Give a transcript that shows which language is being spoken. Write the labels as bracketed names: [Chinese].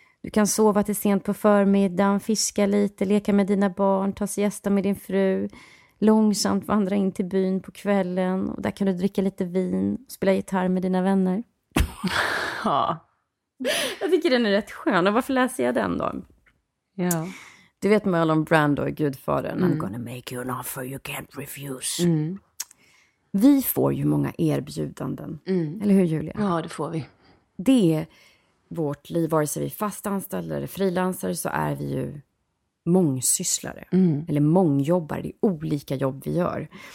[Swedish] Du kan sova till sent på förmiddagen, fiska lite, leka med dina barn, ta siesta med din fru. Långsamt vandra in till byn på kvällen. Och där kan du dricka lite vin och spela gitarr med dina vänner. Ja. Jag tycker den är rätt skön. Och varför läser jag den då? Ja. Du vet Marlon Brando är gudfaren. [English] Mm. I'm gonna make you an offer you can't refuse. Mm. [Swedish] Vi får ju många erbjudanden. Mm. Eller hur, Julia? Ja, det får vi. Det är vårt liv, vare sig vi är fastanställda eller frilansare, så är vi ju mångsysslare. Mm. Eller mångjobbare. Det är olika jobb vi gör.